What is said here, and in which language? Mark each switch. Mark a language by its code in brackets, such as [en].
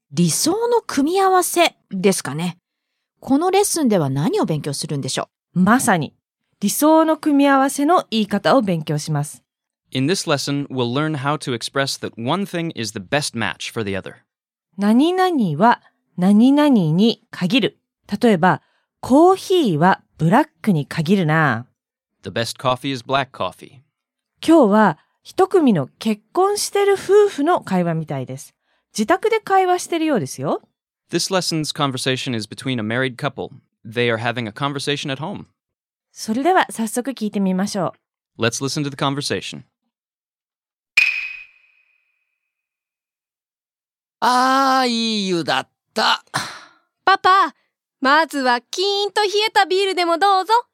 [ja] 理想の組み合わせですかね。このレッスンでは何を勉強するんでしょう？まさに、理想の組み合わせの言い方を勉強します。 [en] In this lesson, we'll learn how to express that one thing is the best match for the other. [ja] 何々は何々に限る。例えば、コーヒーはブラックに限るな。 [en] The best coffee is black coffee. [ja] 今日は一組の結婚してる夫婦の会話みたいです。自宅で会話してるようですよ。 [en] This lesson's conversation is between a married couple. They are having a conversation at home. [ja] それでは早速聞いてみましょう。 [en] Let's listen to the conversation. [ja] ああ、いい湯だった。パパ、まずはキーンと冷えたビールでもどうぞ。